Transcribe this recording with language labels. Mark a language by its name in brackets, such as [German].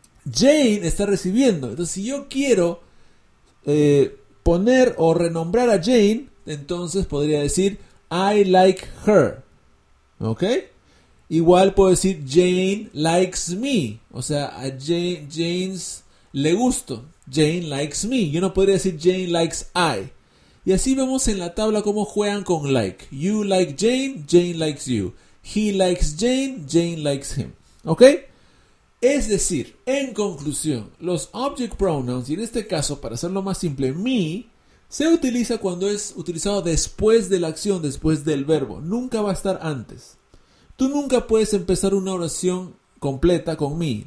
[Spanish] Jane está recibiendo. Entonces, si yo quiero poner o renombrar a Jane, entonces podría decir [English] I like her. [Spanish] ¿Ok? Igual puedo decir [English] Jane likes me. [Spanish] O sea, a Jane's le gusto. [English] Jane likes me. [Spanish] Yo no podría decir [English] Jane likes I. [Spanish] Y así vemos en la tabla cómo juegan con like. [English] You like Jane, Jane likes you. He likes Jane, Jane likes him. ¿Ok? [Spanish] Es decir, en conclusión, los object pronouns, y en este caso, para hacerlo más simple, me, se utiliza cuando es utilizado después de la acción, después del verbo. Nunca va a estar antes. Tú nunca puedes empezar una oración completa con me.